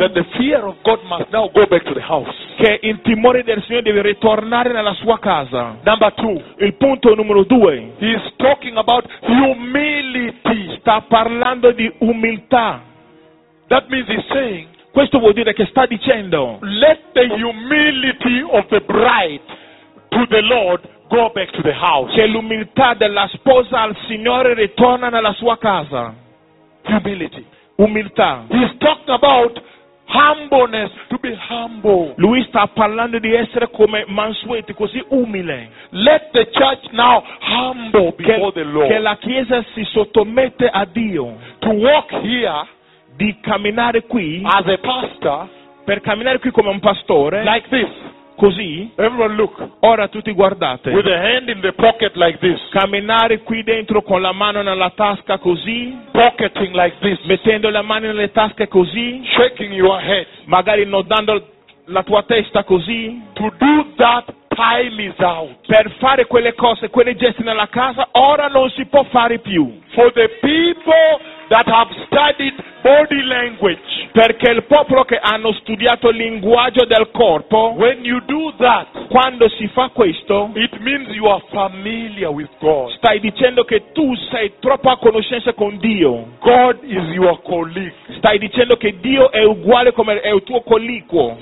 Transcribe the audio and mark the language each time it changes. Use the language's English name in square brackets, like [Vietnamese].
[English] that the fear of God must now go back to the house. [Italian] Che il timore del Signore deve ritornare nella sua casa. [English] Number two, [Italian] il punto numero due, [English] he's talking about humility. [Italian] Sta parlando di umiltà. [English] That means he's saying, [Italian] questo vuol dire che sta dicendo, [English] let the humility of the bride to the Lord go back to the house. [Italian] Che l'umiltà della sposa al Signore ritorna nella sua casa. [English] Humility. [Italian] Umiltà. [English] He's talking about humbleness, to be humble. [Italian] Lui sta parlando di essere come mansueti, così umile. [English] Let the church now humble before the Lord. [Italian] Che la chiesa si sottomette a Dio. [English] To walk here, [Italian] di camminare qui, [English] as a pastor, [Italian] per camminare qui come un pastore, [English] like this, [Italian] così, [English] everyone look, [Italian] ora tutti guardate, [English] with a hand in the pocket like this, [Italian] camminare qui dentro con la mano nella tasca così, [English] pocketing like this, [Italian] mettendo la mano nelle tasche così, [English] shaking your head, [Italian] magari nodando la tua testa così, [English] to do that time is out. [Italian] Per fare quelle cose, quelle gesti nella casa, ora non si può fare più. [English] For the people that have studied body language. [Italian] Perché il popolo che hanno studiato il linguaggio del corpo, [English] when you do that, [Italian] quando si fa questo, [English] it means you are familiar with God. [Italian] Stai dicendo che tu sei troppo a conoscenza con Dio. [English] God is your colleague. [Italian] Stai dicendo che Dio è uguale come è il tuo colleague.